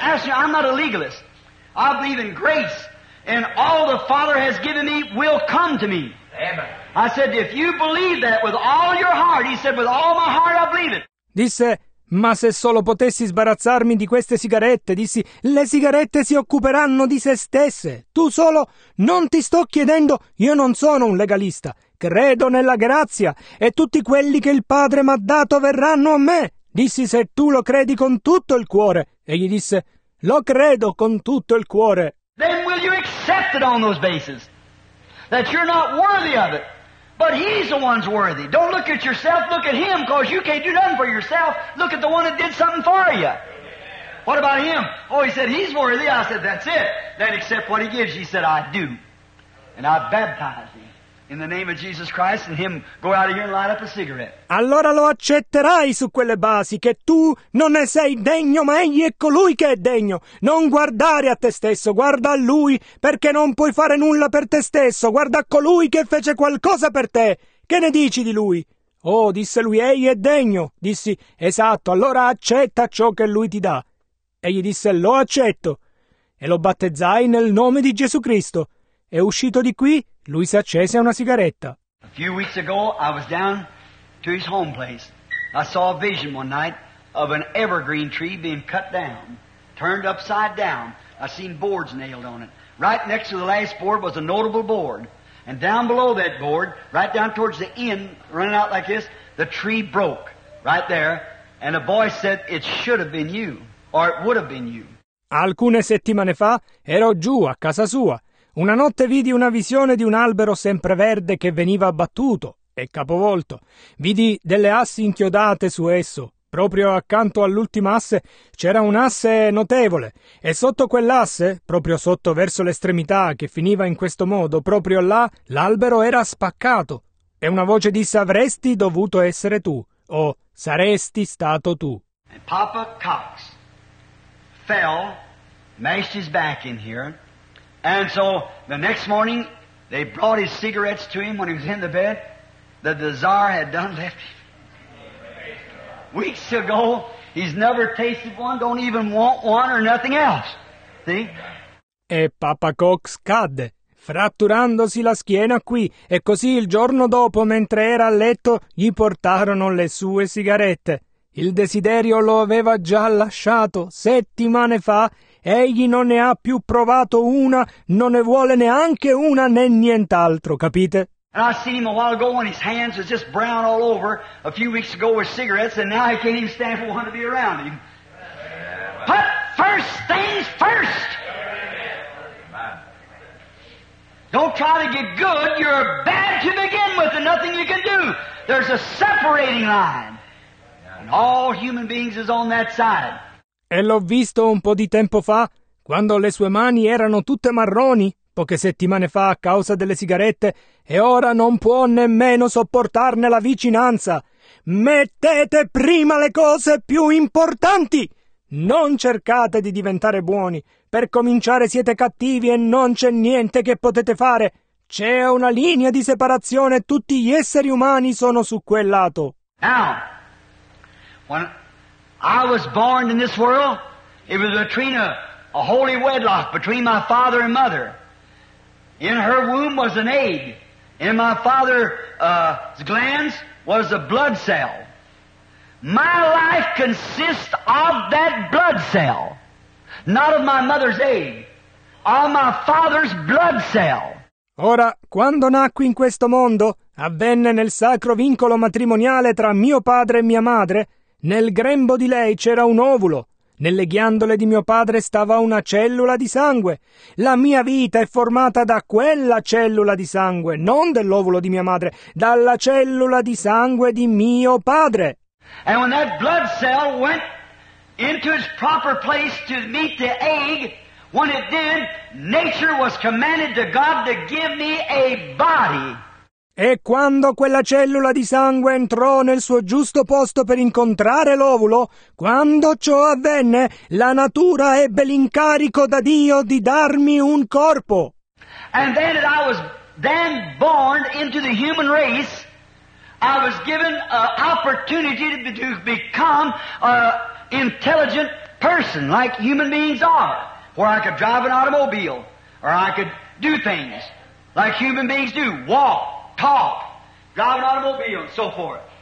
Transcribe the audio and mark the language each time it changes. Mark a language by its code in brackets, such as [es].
[en] I'm not a legalist. I believe in grace. And all the Father has given me will come to me. Amen. I said, if you believe that with all your heart, he said, with all my heart I believe it. [it] Disse, ma se solo potessi sbarazzarmi di queste sigarette, dissi, le sigarette si occuperanno di se stesse. Tu solo, non ti sto chiedendo, io non sono un legalista. Credo nella grazia e tutti quelli che il Padre m'ha dato verranno a me. Dissi, se tu lo credi con tutto il cuore. E gli disse, lo credo con tutto il cuore. [en] Then will you accept it on those bases? That you're not worthy of it. But he's the one's worthy. Don't look at yourself, look at him, because you can't do nothing for yourself. Look at the one that did something for you. What about him? Oh, he said, he's worthy. I said, that's it. Then accept what he gives. He said, I do. And I baptize you in the name of Jesus Christ and him go out of here and light up a cigarette. [it] Allora lo accetterai su quelle basi che tu non ne sei degno, ma egli è colui che è degno. Non guardare a te stesso, guarda a lui, perché non puoi fare nulla per te stesso. Guarda a colui che fece qualcosa per te. Che ne dici di lui? Oh, disse lui, egli è degno. Dissi, esatto, allora accetta ciò che lui ti dà. Egli disse, lo accetto. E lo battezzai nel nome di Gesù Cristo. È uscito di qui, lui si accese una sigaretta. [en] A few weeks ago I was down to his home place. I saw a vision one night of an evergreen tree being cut down, turned upside down. I seen boards nailed on it. Right next to the last board was a notable board. And down below that board, right down towards the end, running out like this, the tree broke right there. And a voice said, it should have been you, or it would have been you. [it] Alcune settimane fa ero giù a casa sua. Una notte vidi una visione di un albero sempreverde che veniva abbattuto e capovolto. Vidi delle assi inchiodate su esso. Proprio accanto all'ultima asse c'era un'asse notevole e sotto quell'asse, proprio sotto verso l'estremità che finiva in questo modo, proprio là l'albero era spaccato e una voce disse avresti dovuto essere tu o saresti stato tu. [en] And Papa Cox fell, mashed his back in here. And so the next morning, they brought his cigarettes to him when he was in the bed that the Tsar had done left him. Weeks ago, he's never tasted one, don't even want one or nothing else. See? [it] E Papa Cox cadde, fratturandosi la schiena qui, e così il giorno dopo, mentre era a letto, gli portarono le sue sigarette. Il desiderio lo aveva già lasciato settimane fa. Egli non ne ha più provato una, non ne vuole neanche una né nient'altro, capite? [en] And I seen him a while ago when his hands was just brown all over a few weeks ago with cigarettes, and now he can't even stand for one to be around him. Put first things first. Don't try to get good. You're bad to begin with, and nothing you can do. There's a separating line. And all human beings is on that side. [it] E l'ho visto un po' di tempo fa, quando le sue mani erano tutte marroni, poche settimane fa a causa delle sigarette, e ora non può nemmeno sopportarne la vicinanza. Mettete prima le cose più importanti! Non cercate di diventare buoni. Per cominciare siete cattivi e non c'è niente che potete fare. C'è una linea di separazione e tutti gli esseri umani sono su quel lato. [en] Now, When I was born in this world, it was between a holy wedlock between my father and mother. In her womb was an egg. In my father's glands was a blood cell. My life consists of that blood cell, not of my mother's egg, of my father's blood cell. [it] Ora, quando nacqui in questo mondo, avvenne nel sacro vincolo matrimoniale tra mio padre e mia madre, nel grembo di lei c'era un ovulo. Nelle ghiandole di mio padre stava una cellula di sangue. La mia vita è formata da quella cellula di sangue, non dell'ovulo di mia madre, dalla cellula di sangue di mio padre. [en] And when that blood cell went into its proper place to meet the egg, when it did, nature was commanded to God to give me a body. [it] E quando quella cellula di sangue entrò nel suo giusto posto per incontrare l'ovulo, quando ciò avvenne, la natura ebbe l'incarico da Dio di darmi un corpo. [en] And then that I was then born into the human race, I was given an opportunity to become an intelligent person like human beings are, where I could drive an automobile, or I could do things like human beings do, walk, talk, drive an automobile, and so forth.